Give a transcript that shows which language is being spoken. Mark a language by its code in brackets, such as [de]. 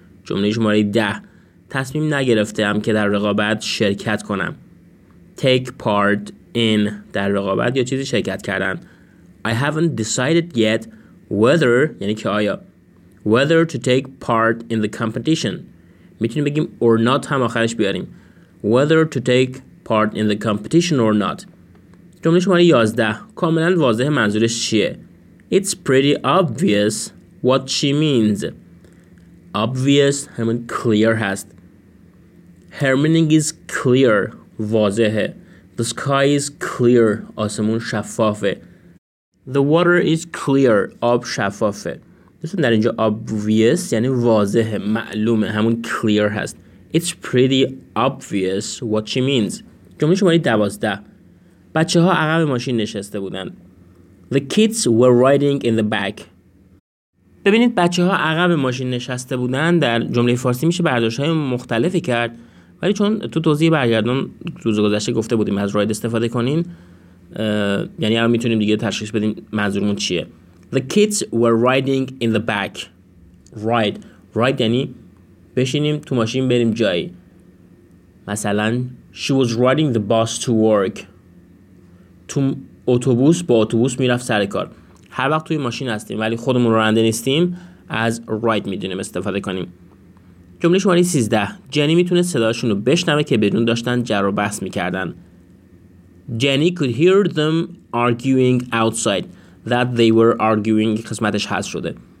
[fa] جمله شماره 10: تصمیم نگرفتم که در رقابت شرکت کنم. [en] Take part in، [fa] در رقابت یا چیزی شرکت کردن. [en] I haven't decided yet whether، [fa] یعنی که آیا، [en] whether to take part in the competition. [fa] میتونیم بگیم [en] or not [fa] هم آخرش بیاریم. [en] Whether to take part in the competition or not. [fa] جمله شماره 11: کاملا واضح منظورش چیه؟ [en] It's pretty obvious what she means. Obvious [fa] همون [en] clear [fa] هست. [en] Her meaning is clear، [fa] واضحه. [en] The sky is clear، [fa] آسمون شفافه. [en] The water is clear، [fa] آب شفافه. دوستان در اینجا obvious یعنی واضحه، معلومه، همون clear هست. [en] It's pretty obvious what she means. [fa] جمله شماره 12: بچه ها عقب ماشین نشسته بودن. [en] The kids were riding in the back. [fa] ببینید بچه ها عقب ماشین نشسته بودن در جمله فارسی میشه برداشت های مختلفی کرد، ولی چون تو توضیح برگردان روز گذشته گفته بودیم از ride استفاده کنین، یعنی الان میتونیم دیگه تشخیص بدیم منظورمون چیه. [en] The kids were riding in the back. Ride. [fa] Ride یعنی بشینیم تو ماشین بریم جایی. مثلا [en] She was riding the bus to work. [fa] تو اتوبوس با اتوبوس میرفت سر کار. هر وقت توی ماشین هستیم ولی خودمون راننده نیستیم از ride میدونیم استفاده کنیم. جمله شماره 13، جنی میتونه صداشون رو بشنوه که بیرون داشتن جر و بحث میکردن. [en] Jenny could hear them arguing outside. That they were arguing [fa] قسمتش حذف شده.